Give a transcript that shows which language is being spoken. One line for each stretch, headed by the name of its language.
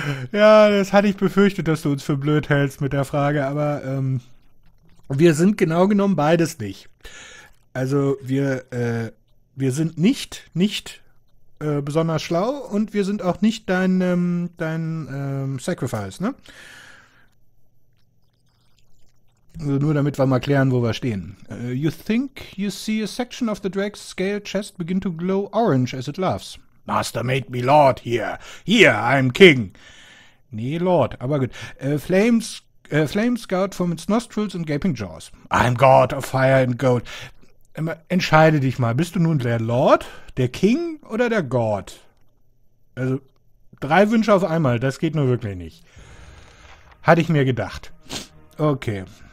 German: Ja, das hatte ich befürchtet, dass du uns für blöd hältst mit der Frage, aber wir sind genau genommen beides nicht. Also wir sind nicht besonders schlau und wir sind auch nicht dein Sacrifice, ne? Also nur damit wir mal klären, wo wir stehen.
English: You think you see a section of the Drake's scale chest begin to glow orange as it laughs. Master made me Lord here. Here, I'm King.
German: Nee, Lord, aber gut.
English: Flames scout from its nostrils and gaping jaws. I'm God of fire and gold.
German: Entscheide dich mal, bist du nun der Lord, der King oder der God? Also, drei Wünsche auf einmal, das geht nur wirklich nicht. Hatte ich mir gedacht. Okay.